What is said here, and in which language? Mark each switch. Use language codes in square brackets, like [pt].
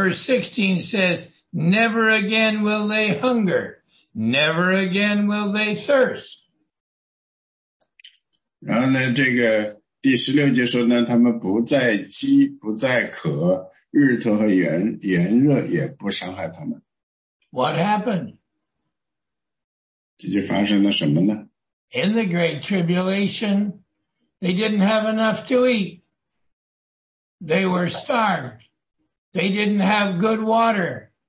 [en] so verse 16 says, never again will they hunger. Never again will they thirst. [zh] 然后呢，这个第十六节说呢，他们不再饥，不再渴，日头和炎热也不伤害他们。 [en] What happened? [zh] 这就发生了什么呢？ [en] In the great tribulation, they didn't have enough to eat. They were starved. They didn't have good water.